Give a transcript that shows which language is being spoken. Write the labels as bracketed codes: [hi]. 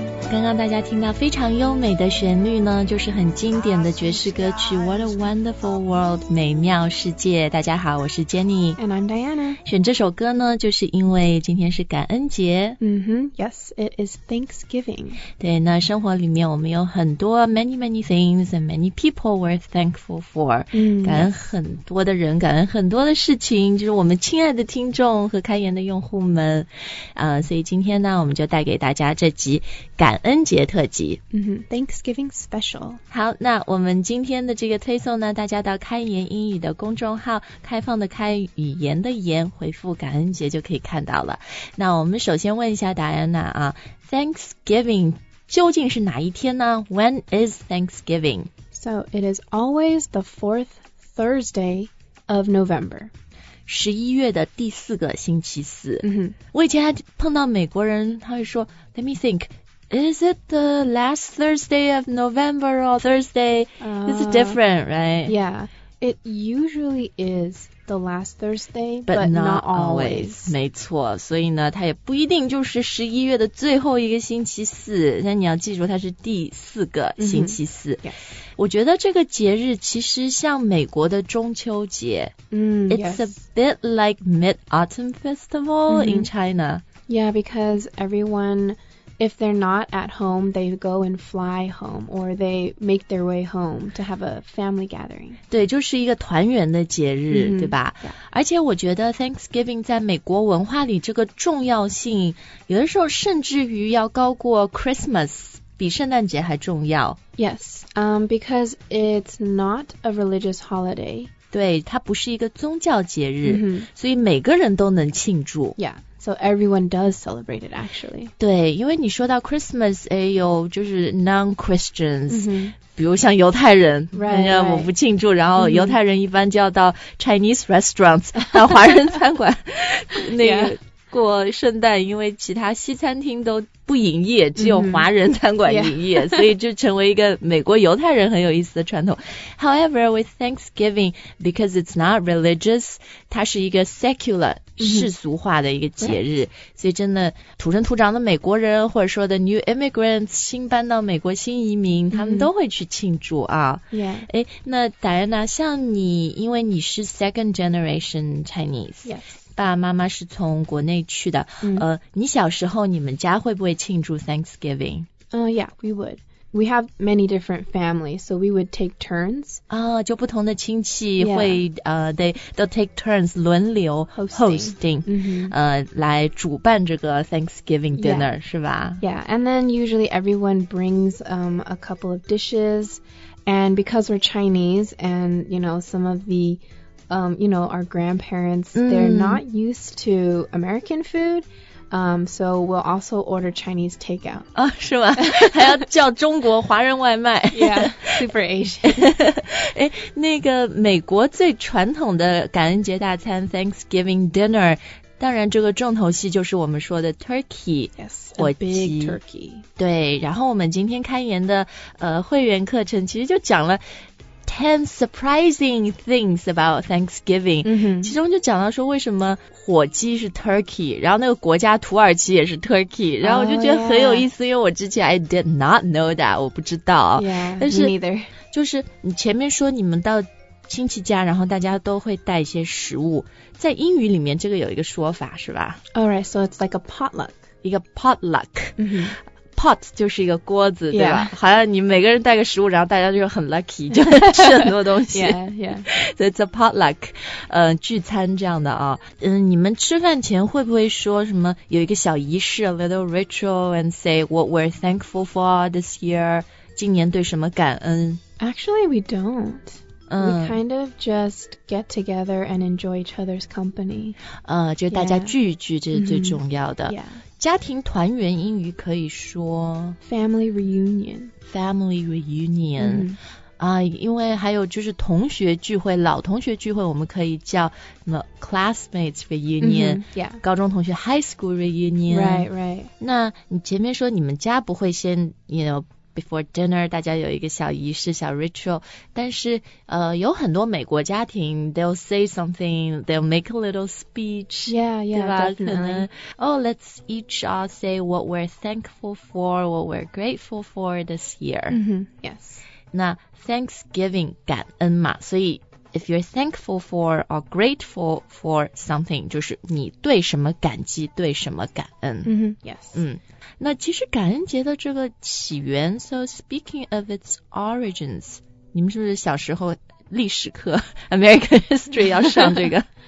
[zh] 刚刚大家听到非常优美的旋律呢，就是很经典的爵士歌曲 What a Wonderful World， 美妙世界。大家好，我是 Jenny。 [en] And I'm Diana。 [zh] 选这首歌呢，就是因为今天是感恩节。 [en] Yes, it is Thanksgiving。 [zh] 对，那生活里面我们有很多 [en] many many things and many people we're thankful for。 [zh] 感恩很多的人，感恩很多的事情，就是我们亲爱的听众和开言的用户们。所以今天呢，我们就带给大家这集感恩节特辑。 [en] Thanksgiving special。 [zh] 好，那我们今天的这个推送呢，大家到开言英语的公众号，开放的开，语言的言，回复感恩节就可以看到了。那我们首先问一下达安娜啊， Thanksgiving 究竟是哪一天呢？ [en] When is Thanksgiving? So it is always the fourth Thursday of November. [zh] 十一月的第四个星期四。 Mm-hmm. 我以前还碰到美国人，他会说 [en] Let me think, is it the last Thursday of November or Thursday? It's different, right? Yeah, it usually is the last Thursday, but not always. [zh] 没错，所以呢，它也不一定就是十一月的最后一个星期四，但你要记住它是第四个星期四。 [en] Mm-hmm. Yes. [zh] 我觉得这个节日其实像美国的中秋节。 [en] It's yes. a bit like Mid-Autumn Festival、mm-hmm. in China. Yeah, because everyone, if they're not at home, they go and fly home or they make their way home to have a family gathering. [zh] 对，就是一个团圆的节日、 mm-hmm. 对吧、 [en] yeah. [zh] 而且我觉得 Thanksgiving 在美国文化里这个重要性有的时候甚至于要高过 Christmas, 比圣诞节还重要。 [en] Yes, because it's not a religious holiday. [zh] 对，它不是一个宗教节日、 mm-hmm. 所以每个人都能庆祝。 [en] Yeah, so everyone does celebrate it actually. [zh] 对，因为你说到 Christmas 也有就是 non-Christians、 mm-hmm. 比如像犹太人 [en] right, [zh] 人家我不庆祝、然后犹太人一般就要到 Chinese restaurants、mm-hmm. 到华人餐馆那个过圣诞、 [en] yeah. [zh] 因为其他西餐厅都不营业，只有华人餐馆营业、 [en] mm-hmm. yeah. [zh] 所以就成为一个美国犹太人很有意思的传统。 [en] However, with Thanksgiving, because it's not religious, [zh] 它是一个 secular、 mm-hmm. 世俗化的一个节日、 [en] yeah. [zh] 所以真的土生土长的美国人或者说的 [en] new immigrants [zh] 新搬到美国新移民、 mm-hmm. 他们都会去庆祝啊。 [en] Yeah. [zh] 那 Diana, 像你因为你是 [en] second generation Chinese、 yes. [zh] 爸爸妈妈是从国内去的、嗯、你小时候你们家会不会庆祝 Thanksgiving? [en] Yeah, we would. We have many different families, so we would take turns. [zh] 啊、就不同的亲戚会、 [en] yeah. They'll take turns [zh] 轮流 [en] hosting、嗯、 [zh] 来主办这个 Thanksgiving dinner、 [en] yeah. [zh] 是吧 [en] Yeah, and then usually everyone brings a couple of dishes, and because we're Chinese and you know some of theyou know, our grandparents,、 mm. they're not used to American food, so we'll also order Chinese takeout. [zh] 啊、oh, ，是吗？还要叫中国华人外卖。 [en] Yeah, super Asian. [zh] 哎，那个美国最传统的感恩节大餐 Thanksgiving dinner, 当然这个重头戏就是我们说的 turkey. [en] Yes, a big turkey. [zh] 对，然后我们今天开言的会员课程其实就讲了 [en] 10 surprising things about Thanksgiving、 mm-hmm. [zh] 其中就讲到说为什么火鸡是 turkey 然后那个国家土耳其也是 turkey 然后我就觉得很有意思、 [en] oh, yeah. [zh] 因为我之前 [en] I did not know that [zh] 我不知道 [en] yeah, [zh] 但是 [en] me neither. [zh] 就是你前面说你们到亲戚家然后大家都会带一些食物在英语里面这个有一个说法是吧 [en] Alright, so it's like a potluck [zh] 一个 potluck、 mm-hmm. Pot 就是一个锅子，对吧？ [en] Yeah. [zh] 好像你每个人带个食物，然后大家就很 lucky， 就吃很多东西。 [en] Yeah, yeah. So it's a potluck， [zh] 聚餐这样的啊、哦。嗯，你们吃饭前会不会说什么有一个小仪式 ， [en] a little ritual， and say what we're thankful for this year， [zh] 今年对什么感恩 [en] ？Actually, we don't. We kind of just get together and enjoy each other's company. [zh] 就大家聚一聚，这是最重要的。 [en] Yeah. [zh] 家庭团圆英语可以说 [en] family reunion. Family reunion. [zh] 啊，因为还有就是同学聚会，老同学聚会我们可以叫什么 [en] classmates reunion、 mm-hmm, yeah. [zh] 高中同学 [en] high school reunion right right [zh] 那你前面说你们家不会先 [en] you know before dinner [zh] 大家有一个小仪式小 ritual 但是有很多美国家庭 [en] they'll say something they'll make a little speech yeah yeah [zh] 对吧 [en] definitely oh let's each all say what we're thankful for what we're grateful for this year、 mm-hmm, yes [zh] 那 Thanksgiving 感恩嘛所以 [en] if you're thankful for or grateful for something [zh] 就是你对什么感激对什么感恩、 [en] mm-hmm. Yes、 [zh] 嗯、那其实感恩节的这个起源 [en] So speaking of its origins [zh] 你们是不是小时候历史课 American History 要上这个